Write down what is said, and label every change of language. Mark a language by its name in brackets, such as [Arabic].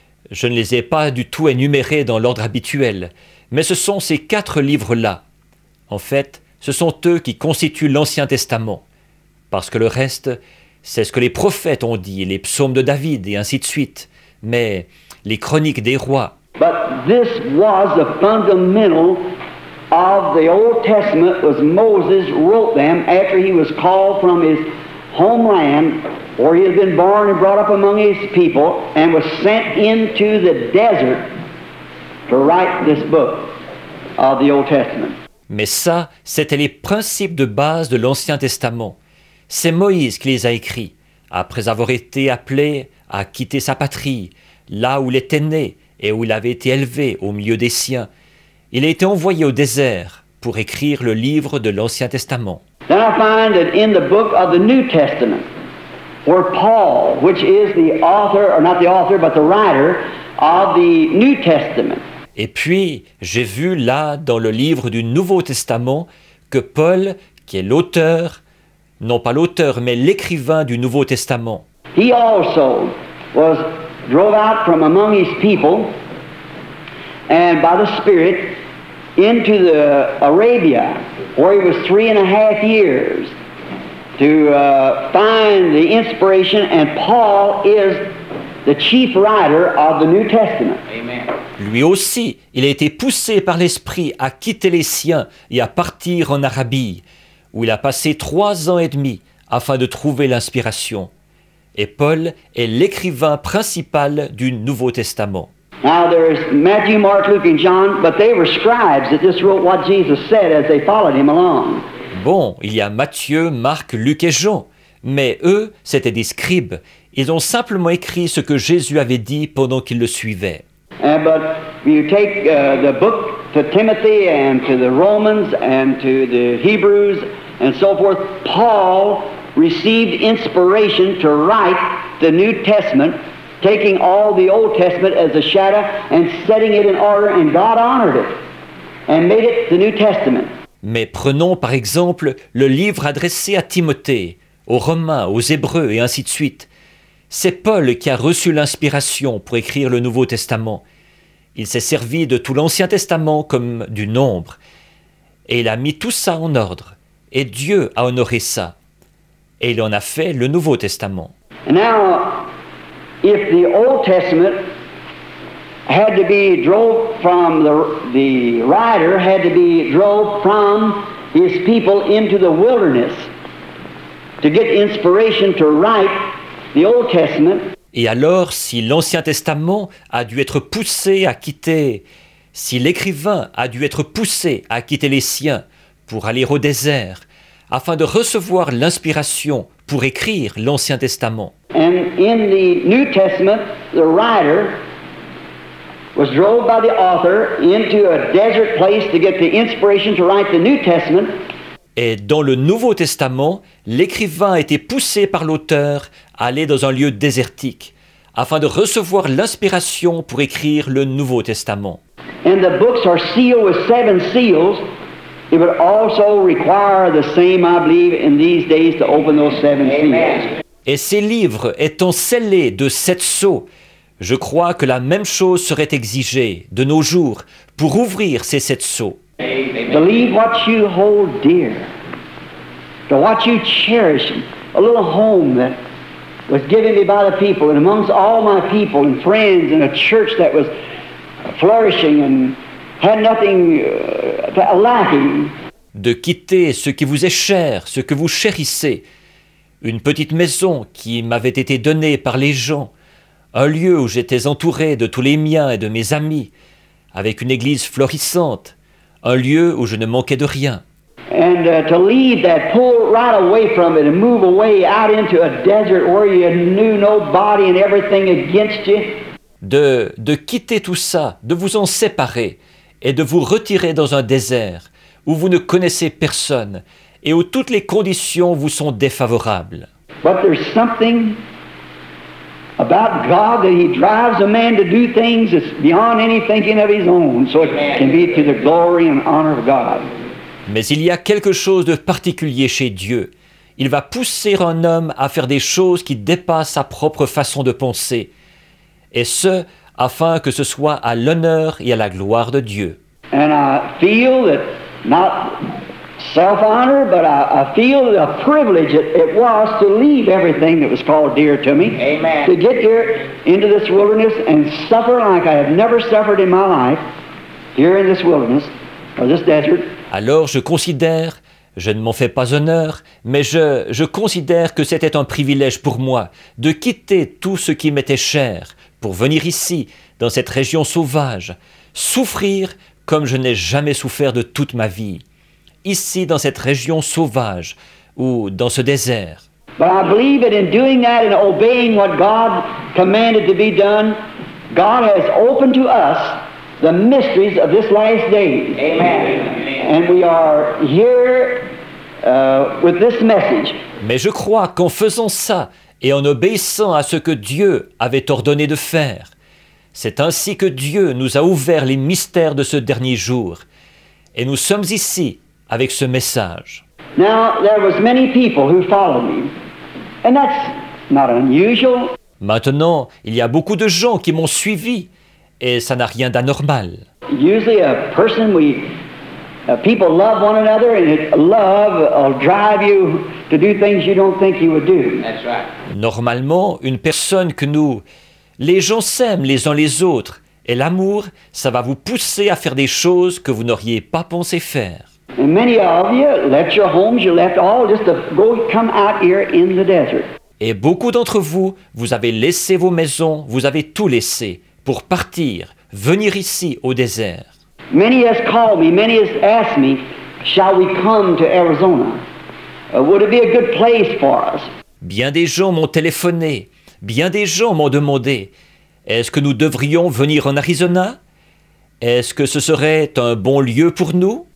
[French] Je ne les ai pas du tout énumérés dans l'ordre habituel, mais ce sont ces quatre livres-là. En fait, ce sont eux qui constituent l'Ancien Testament, parce que le reste, c'est ce que les prophètes ont dit, les psaumes de David et ainsi de suite, mais les chroniques des rois. [English] But this was the fundamental of the Old Testament was Moses wrote them after he was called from his homeland or he had been born and brought up among his people and was sent into the desert to write this book of the Old Testament. [French] Mais ça, c'était les principes de base de l'Ancien Testament. C'est Moïse qui les a écrits après avoir été appelé à quitter sa patrie, là où il était né et où il avait été élevé au milieu des siens. Il a été envoyé au désert pour écrire le livre de l'Ancien Testament. [English] Then I find that in the book of the New Testament, where Paul, which is the author, or not the author, but the writer of the New Testament. [French] Et puis, j'ai vu là, dans le livre du Nouveau Testament, que Paul, qui est l'auteur, non pas l'auteur, mais l'écrivain du Nouveau Testament, [English] he also was drove out from among his people and by the Spirit into the Arabia, where he was 3.5 years to find the inspiration, and Paul is the chief writer of the New Testament. Amen. [French] Lui aussi, il a été poussé par l'Esprit à quitter les siens et à partir en Arabie, où il a passé 3 ans et demi afin de trouver l'inspiration. Et Paul est l'écrivain principal du Nouveau Testament. [English] Now there is Matthew, Mark, Luke and John, but they were scribes that just wrote what Jesus said as they followed him along. [French] Bon, il y a Matthieu, Marc, Luc et Jean, mais eux, c'étaient des scribes. Ils ont simplement écrit ce que Jésus avait dit pendant qu'ils le suivaient. [English] But you take the book to Timothy and to the Romans and to the Hebrews and so forth, Paul received inspiration to write the New Testament, taking all the Old Testament as a shadow and setting it in order, and God honored it and made it the New Testament. [French] Mais prenons par exemple le livre adressé à Timothée, aux Romains, aux Hébreux et ainsi de suite. C'est Paul qui a reçu l'inspiration pour écrire le Nouveau Testament. Il s'est servi de tout l'Ancien Testament comme du nombre. Et il a mis tout ça en ordre. Et Dieu a honoré ça. Et il en a fait le Nouveau Testament. [English] Now, if the Old Testament had to be drove from the writer, had to be drove from his people into the wilderness to get inspiration to write the Old Testament. [French] Et alors, si l'Ancien Testament a dû être poussé à quitter, si l'écrivain a dû être poussé à quitter les siens pour aller au désert, afin de recevoir l'inspiration pour écrire l'Ancien Testament. [English] And in the New Testament, the writer was drove by the author into a desert place to get the inspiration to write the New Testament. [French] Et dans le Nouveau Testament, l'écrivain a été poussé par l'auteur à aller dans un lieu désertique afin de recevoir l'inspiration pour écrire le Nouveau Testament. [English] And the books are sealed with 7 seals. It would also require the same, I believe, in these days to open those 7 seals. [French] Et ces livres étant scellés de 7 sceaux, je crois que la même chose serait exigée de nos jours pour ouvrir ces 7 sceaux. [English] Believe what you hold dear, to what you cherish, a little home that was given me by the people, and amongst all my people and friends, and a church that was flourishing and had nothing lacking. [French] De quitter ce qui vous est cher, ce que vous chérissez, une petite maison qui m'avait été donnée par les gens, un lieu où j'étais entouré de tous les miens et de mes amis, avec une église florissante, un lieu où je ne manquais de rien. [English] And to leave that, pull right away from it and move away out into a desert where you knew nobody and everything against you. [French] De quitter tout ça, de vous en séparer et de vous retirer dans un désert où vous ne connaissez personne et où toutes les conditions vous sont défavorables. [English] But there's something about God that he drives a man to do things that's beyond any thinking of his own, so it can be to the glory and honor of God. [French] Mais il y a quelque chose de particulier chez Dieu. Il va pousser un homme à faire des choses qui dépassent sa propre façon de penser, et ce, afin que ce soit à l'honneur et à la gloire de Dieu. [English] And I feel that not self-honor, but I feel the privilege it was to leave everything that was called dear to me. Amen. To get here into this wilderness and suffer like I have never suffered in my life here in this wilderness or this desert. [French] Alors je ne m'en fais pas honneur, mais je considère que c'était un privilège pour moi de quitter tout ce qui m'était cher pour venir ici, dans cette région sauvage, souffrir comme je n'ai jamais souffert de toute ma vie, ici dans cette région sauvage ou dans ce désert. [English] But I believe that in doing that and obeying what God commanded to be done, God has opened to us the mysteries of this last day. Amen. And we are here with this message. [French] Mais je crois qu'en faisant ça et en obéissant à ce que Dieu avait ordonné de faire, C'est ainsi que Dieu nous a ouvert les mystères de ce dernier jour. Et nous sommes ici avec ce message. [English] Now, there was many people who followed me. And that's not unusual. [French] Maintenant, il y a beaucoup de gens qui m'ont suivi. Et ça n'a rien d'anormal. [English] Usually a person we... People love one another, and love will drive you to do things you don't think you would do. That's right. [French] Normalement, une personne que nous, les gens s'aiment les uns les autres, et l'amour, ça va vous pousser à faire des choses que vous n'auriez pas pensé faire. [English] And many of you left your homes, you left all just to go come out here in the desert. [French] Et beaucoup d'entre vous, vous avez laissé vos maisons, vous avez tout laissé pour partir, venir ici au désert. [English] Many has called me, many has asked me, shall we come to Arizona? Would it be a good place for us? [French] Bien des gens m'ont téléphoné, bien des gens m'ont demandé, est-ce que nous devrions venir en Arizona? Est-ce que ce serait un bon lieu pour nous?